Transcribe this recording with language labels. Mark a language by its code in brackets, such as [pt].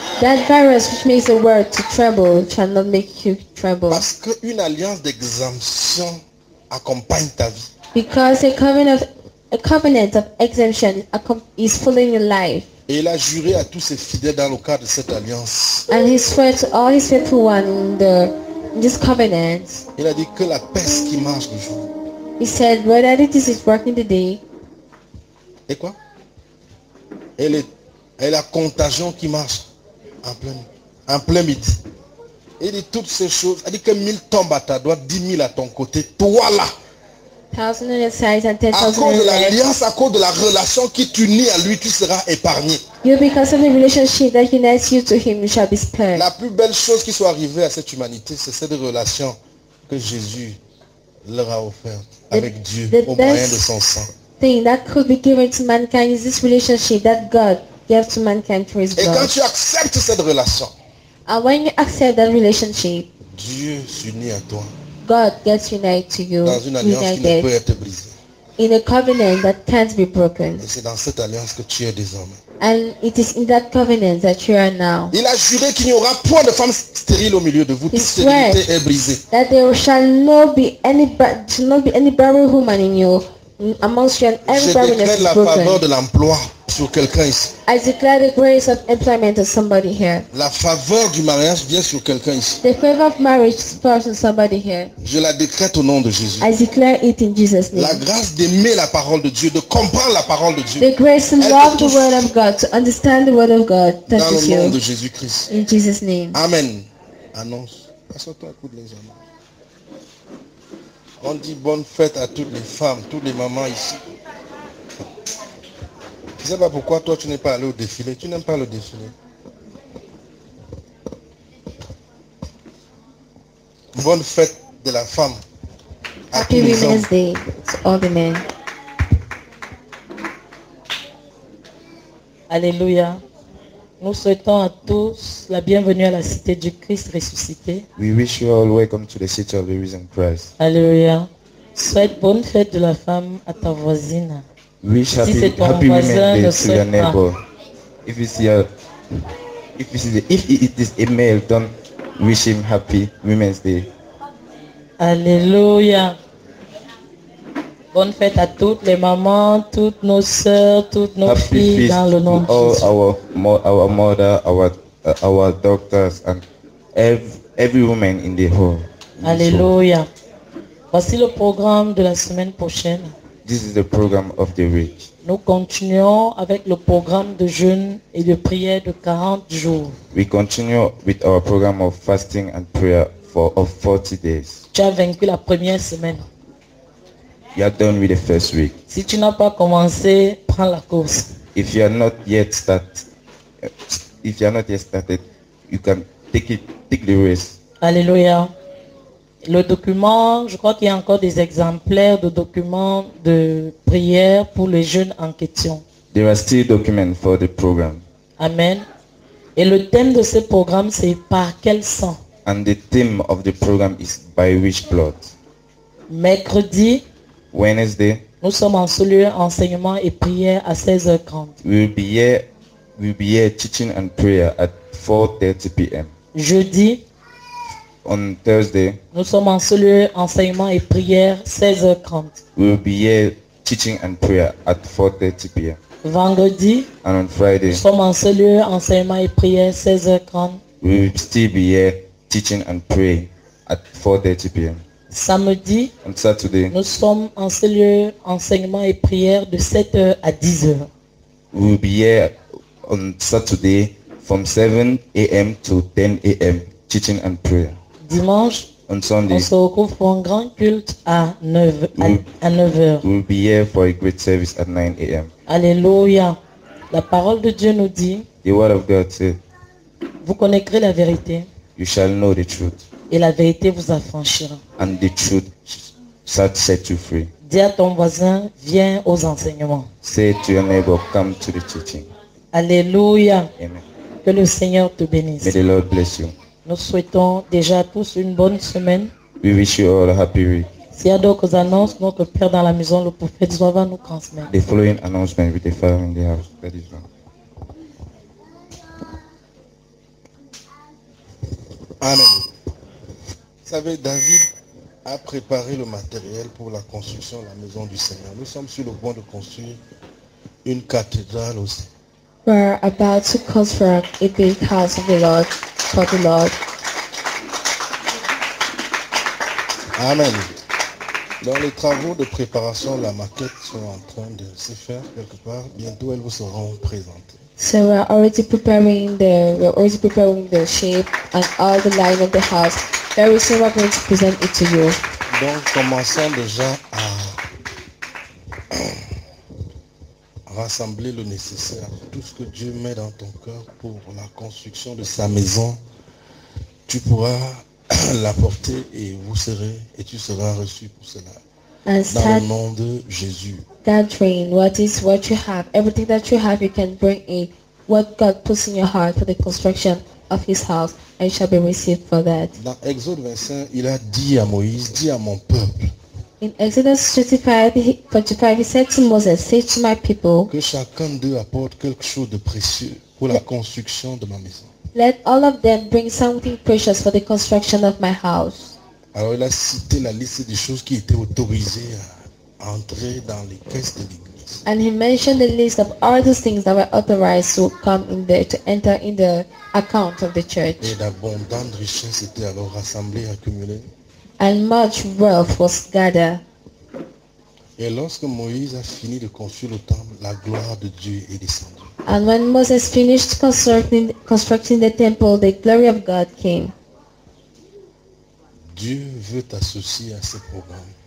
[en] That virus which makes the world to tremble shall not make you tremble. [fr] Parce qu'une alliance d'exemption accompagne ta vie. [en] Because a covenant of exemption is following your life. [fr] Et il a juré à tous ses fidèles dans le cadre de cette alliance. [en] And he swore to all his faithful ones in this covenant. [fr] Il a dit que la peste qui marche le jour. [en] He said whether it is working the day. [fr] Et quoi? Et la contagion qui marche en plein midi. Il dit toutes ces choses. Il dit que 1000 tombent à ta droite, 10 000 à ton côté. Toi là. [en] 1000 on your side and 10,000 on your left. [fr] À cause de l'alliance, à cause de la relation qui t'unit à lui, tu seras épargné. [en] You because of the relationship that unites you to him, you shall be spared. [fr] La plus belle chose qui soit arrivée à cette humanité, c'est cette relation que Jésus leur a offerte avec Dieu au moyen de son sang. [en] The thing that could be given to mankind is this relationship that God gave to mankind through His blood. [fr] Et quand tu acceptes cette relation. [en] And when you accept that relationship, [fr] Dieu s'unit à toi. [en] God gets united to you. [fr] Dans une alliance [en] united, [fr] qui ne peut être brisée. [en] In a covenant that can't be broken. [fr] Et c'est dans cette alliance que tu es désormais. [en] And it is in that covenant that you are now. [fr] Il a juré qu'il n'y aura point de femme stérile au milieu de vous. [en] He [fr] toute stérilité est brisée. [en] That there shall not be any barren woman in you amongst you and everybody is broken. [fr] Je déclare la faveur de l'emploi sur quelqu'un ici. [en] I declare the grace of employment to somebody here. [fr] La faveur du mariage vient sur quelqu'un ici. [en] The favor of marriage falls on somebody here. [fr] Je la décrète au nom de Jésus. [en] I declare it in Jesus' name. [fr] La grâce d'aimer la parole de Dieu, de comprendre la parole de Dieu. [en] The grace to love the word of God, to understand the word of God. [fr] Dans le nom de Jésus-Christ. [en] In Jesus' name. [fr] Amen. Annonce. Assois-toi à coup de les amis. On dit bonne fête à toutes les femmes, toutes les mamans ici. Je ne sais pas pourquoi toi tu n'es pas allé au défilé. Tu n'aimes pas le défilé. Bonne fête de la femme. [en] Happy Women's Day to all the men. [fr] Alléluia. Nous souhaitons à tous la bienvenue à la cité du Christ ressuscité. [en] We wish you all welcome to the city of the risen Christ. [fr] Alléluia. Souhaite bonne fête de la femme à ta voisine. [en] Wish [fr] si [en] happy, [fr] c'est ton [en] happy [fr] voisin, [en] women's day to your neighbor. [fr] Pas. [en] If you see a, if it is a male, don't wish him happy Women's Day. [fr] Alléluia. Bonne fête à toutes les mamans, toutes nos sœurs, toutes nos [en] happy [fr] filles dans le nom de Jésus. [en] All our mother, our doctors and every woman in the whole. [fr] Alléluia. Voici le programme de la semaine prochaine. [en] This is the program of the week. [fr] Nous continuons avec le programme de jeûne et de prière de 40 jours. [en] We continue with our program of fasting and prayer of 40 days. [fr] Tu as vaincu la première semaine. [en] You are done with the first week. [fr] Si tu n'as pas commencé, prends la course. [en] If you are not yet start, if you are not yet started, you can take it, take the risk. [fr] Alléluia. Le document, je crois qu'il y a encore des exemplaires de documents de prière pour les jeunes en question. [en] There are still documents for the program. Amen. [fr] Et le thème de ce programme, c'est par quel sang? [en] And the theme of the program is by which blood? [fr] Mercredi. [en] Wednesday. [fr] Nous sommes en ce lieu enseignement et prière à 16h30. [en] We'll be here teaching and prayer at 4:30 p.m. [fr] Jeudi. [en] On Thursday. [fr] Nous sommes en ce lieu enseignement et prière 16h30. [en] We'll be here teaching and prayer at 4:30 p.m. [fr] Vendredi. [en] And on Friday. [fr] Nous sommes en ce lieu enseignement et prière 16h30. [en] We'll still be here teaching and praying at 4:30 p.m. [fr] Samedi, [en] on Saturday, [fr] nous sommes en ce lieu enseignement et prière de 7h à 10h. [en] We'll be here on Saturday from 7 a.m. to 10 a.m. teaching and prayer. [fr] Dimanche, [en] on Sunday, [fr] on se retrouve pour un grand culte à 9h. [en] We'll be here for a great service at 9 a.m. [fr] Alléluia. La parole de Dieu nous dit, [en] the word of God says, [fr] vous connaîtrez la vérité. [en] You shall know the truth. [fr] Et la vérité vous affranchira. [en] And the truth shall set you free. [fr] Dis à ton voisin, viens aux enseignements. [en] Say to your neighbor, come to the teaching. [fr] Alléluia. Amen. Que le Seigneur te bénisse. [en] May the Lord bless you. [fr] Nous souhaitons déjà à tous une bonne semaine. [en] We wish you all a happy week. [fr] S'il y a d'autres annonces, notre père dans la maison, le prophète Zouava nous transmet. [en] The following announcement with the father in the house. That is one. Amen. [fr] Vous savez, David a préparé le matériel pour la construction de la maison du Seigneur. Nous sommes sur le point de construire une cathédrale aussi. [en] We're about to construct a big house of the Lord, for the Lord. Amen. [fr] Dans les travaux de préparation, la maquette sont en train de se faire quelque part. Bientôt, elles vous seront présentées. [en] So we're already preparing the shape and all the line of the house. Very soon we're going to present it to you. [fr] Donc commençons déjà à rassembler le nécessaire. Tout ce que Dieu met dans ton cœur pour la construction de sa maison, tu pourras l'apporter et vous serez et tu seras reçu pour cela. Dans le nom de Jésus. [en] Gathering what you have, everything that you have, you can bring in what God puts in your heart for the construction of his house and shall be received for that. [fr] Dans Exode 25, il a dit à Moïse, dis à mon peuple. [en] In Exodus 25, he said to Moses, say to my people, [fr] que chacun d'eux apporte quelque chose de précieux pour la construction de ma maison. [en] Let all of them bring something precious for the construction of my house. [fr] Alors il a cité la liste des choses qui étaient autorisées à entrer dans les caisses de l'église. [en] And he mentioned the list of all those things that were authorized to come in there, to enter in the account of the church. [fr] Et d'abondantes richesses étaient alors rassemblées, accumulées. [en] And much wealth was gathered. [fr] Et lorsque Moïse a fini de construire le temple, la gloire de Dieu est descendue. [en] And when Moses finished constructing the temple, the glory of God came. [fr] Dieu veut t'associer à ce programme.